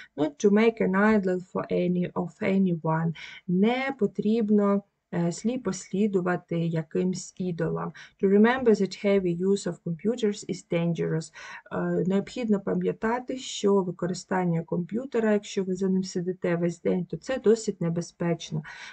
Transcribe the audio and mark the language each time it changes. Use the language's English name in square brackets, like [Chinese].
[English] Not to make an idol for any of anyone. [Ukrainian] Не потрібно сліпо слідувати якимсь ідолам. [English] To remember that heavy use of computers is dangerous. [Ukrainian] Необхідно пам'ятати, що використання комп'ютера, якщо ви за ним сидите весь день, то це досить небезпечно.